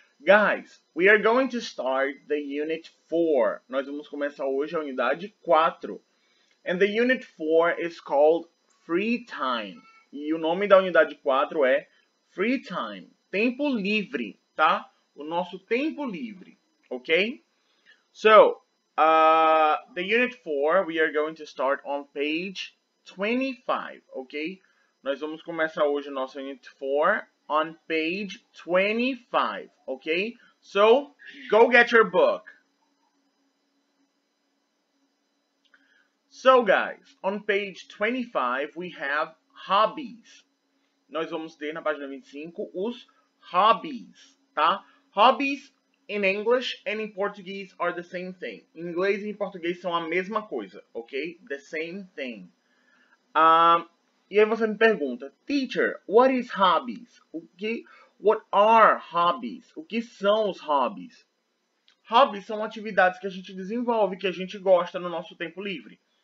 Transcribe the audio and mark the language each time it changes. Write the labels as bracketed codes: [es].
[en] Guys, we are going to start the unit 4. [pt] Nós vamos começar hoje a unidade 4. [en] And the unit 4 is called free time. [pt] E o nome da unidade 4 é [en] free time, [pt] tempo livre, tá? O nosso tempo livre, ok? [en] So, the unit 4, we are going to start on page 25, ok? [pt] Nós vamos começar hoje o nosso Unit 4 [en] on page 25, ok? So, go get your book. So, guys, on page 25, we have hobbies. [pt] Nós vamos ter na página 25 os hobbies, tá? [en] Hobbies in English and in Portuguese are the same thing. [pt] Em inglês e em português são a mesma coisa, ok? [en] The same thing. [pt] E aí você me pergunta, [en] teacher, what is hobbies? What are hobbies? [pt] O que são os hobbies? Hobbies são atividades que a gente desenvolve, que a gente gosta no nosso tempo livre.